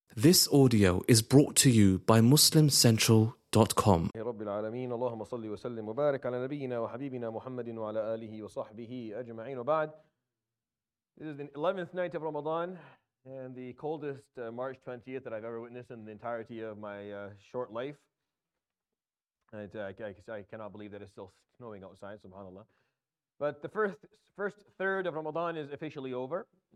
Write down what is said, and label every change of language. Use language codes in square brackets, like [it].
[en] This audio is brought to you by MuslimCentral.com. [ar] يا رب العالمين اللهم صل وسلم وبارك على نبينا وحبيبنا محمد وعلى آله وصحبه أجمعين وبعد. [en] This is the 11th night of Ramadan and the coldest March 20th that I've ever witnessed in the entirety of my short life. And I cannot believe that it's still snowing outside, subhanAllah. But the first third of Ramadan is officially over.